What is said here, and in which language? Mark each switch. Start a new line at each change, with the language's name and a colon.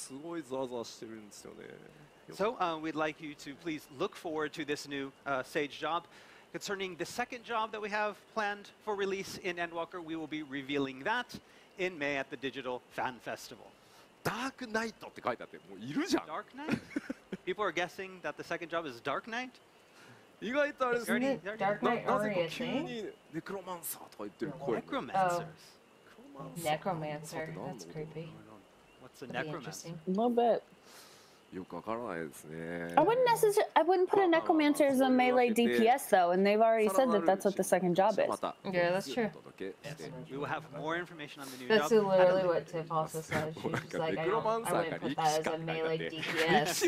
Japanese: そうそうそうそう。まあ、新しいジョブのね、賢者、ぜひご期待していただきたいんですけど、まあ、もう一個追加するよって言ってる近接命令DPSにに関しては、また、次のですね、デジタルファンフェスティバルの方でお届けしていこうかなと思っております。なんかコメントがね、すごいザワザワしてるんですよね。
English: So, we'd like you to please look forward to this new Sage job. Concerning the second job that we have planned for release in Endwalker, we will be revealing that in May at the Digital Fan Festival.
Japanese: Dark Knight って書いてあって、もういるじゃん。
English: Dark Knight? People are guessing that the second job is Dark Knight?
Japanese: 意外とあれですね。
English: Dark Knight
Japanese: なぜか急にネクロマンサーとか言ってる声。
English: Necromancers. Necromancer. That's creepy. What's a necromancer? No bet.
Japanese: よくわからないですね。
English: I wouldn't put a necromancer as a melee DPS though, and they've already said that that's what the second job is. Yeah, that's true. We will have more information on the new that's job. That's literally what Tiff also said. She's like, I wouldn't put that as a melee DPS.